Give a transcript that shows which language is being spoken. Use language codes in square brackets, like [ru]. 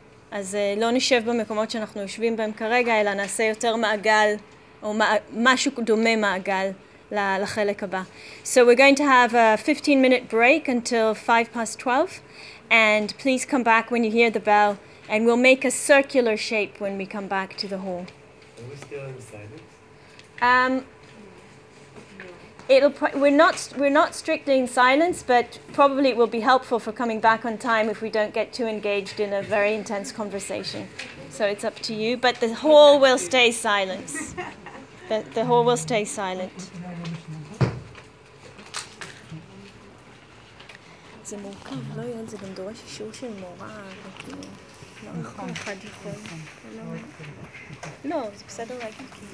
[he] אז לא נשב במקומות שאנחנו יושבים בהם כרגע, אלא נעשה יותר מעגל, או משהו דומה מעגל, לחלק הבא. [en] So we're going to have a 15-minute break until 12:05, and please come back when you hear the bell, and we'll make a circular shape when we come back to the hall. Are we still in silence? We're not strictly in silence, but probably it will be helpful for coming back on time if we don't get too engaged in a very intense conversation. So it's up to you, but the hall will stay silent. The hall will stay silent. [he] זה מורכב, לא יודע, זה גם דורש אישור של מורה, לא נכון, אחד יכול. לא, זה בסדר, רגע.